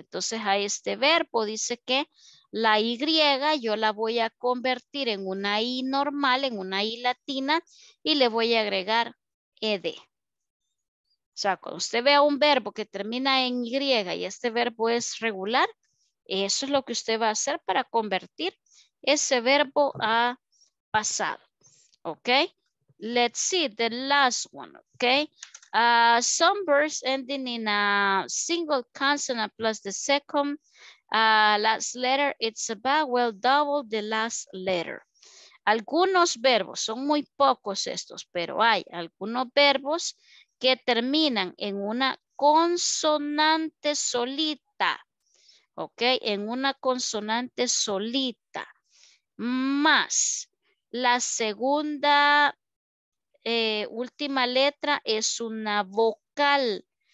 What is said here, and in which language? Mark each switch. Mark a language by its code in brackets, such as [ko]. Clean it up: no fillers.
[es] Entonces, a este verbo dice que la Y yo la voy a convertir en una I normal, en una I latina, y le voy a agregar ED. O sea, cuando usted vea un verbo que termina en Y y este verbo es regular, eso es lo que usted va a hacer para convertir ese verbo a pasado. [en] ¿Ok? Let's see the last one. ¿Ok? Some verbs ending in a single consonant plus the second last letter, it's a vowel, double the last letter. [es] Algunos verbos, son muy pocos estos, pero hay algunos verbos que terminan en una consonante solita, ¿ok? En una consonante solita, más la segunda, última letra es una vocal.